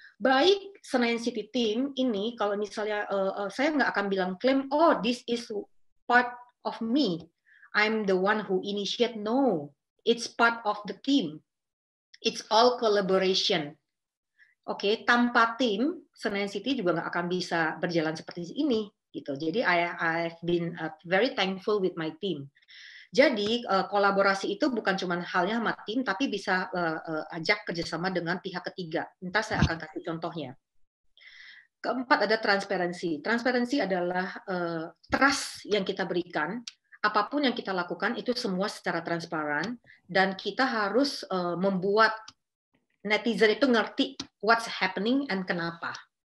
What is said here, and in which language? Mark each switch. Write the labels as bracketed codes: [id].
[id] baik Senayan City Team ini, kalau misalnya saya nggak akan bilang claim, [en] oh this is part of me, I'm the one who initiate. No, it's part of the team. It's all collaboration. [id] Oke, okay, tanpa tim Senayan City juga nggak akan bisa berjalan seperti ini gitu. [en] Jadi I've been very thankful with my team. [id] Jadi kolaborasi itu bukan cuma halnya sama tim, tapi bisa ajak kerjasama dengan pihak ketiga. Entah saya akan kasih contohnya. Keempat ada transparansi. Transparansi adalah trust yang kita berikan. Apapun yang kita lakukan itu semua secara transparan dan kita harus membuat netizen itu ngerti [en] what's happening and [id] kenapa.